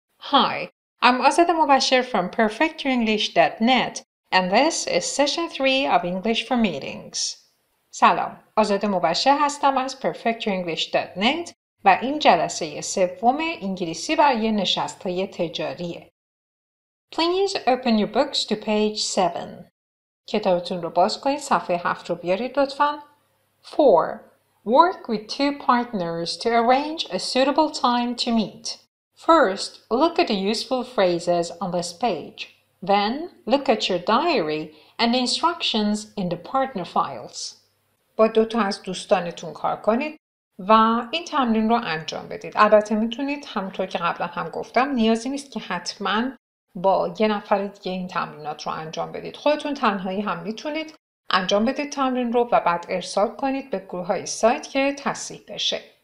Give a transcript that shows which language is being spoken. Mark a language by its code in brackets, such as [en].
[en] Hi, I'm Azadeh Mubasher from perfectyourenglish.net and this is session 3 of English for Meetings. [fa] سلام. آزاده مبشر هستم از perfectyourenglish.net و این جلسه سوم انگلیسی برای نشست‌های تجاریه. [en] Please open your books to page 7. [fa] کتابتون رو باز کنید صفحه 7 رو بیارید لطفاً. [en] 4. Work with two partners to arrange a suitable time to meet. First, look at the useful phrases on this page. Then, look at your diary and the instructions in the partner files. [fa] با دو تا از دوستانتون کار کنید و این تمرین رو انجام بدید. البته میتونید همونطور که قبلا هم گفتم نیازی نیست که حتما با یه نفر دیگه این تمرینات رو انجام بدید. خودتون تنهایی هم میتونید انجام بدید تمرین رو و بعد ارسال کنید به گروه های سایت که تصحیح بشه.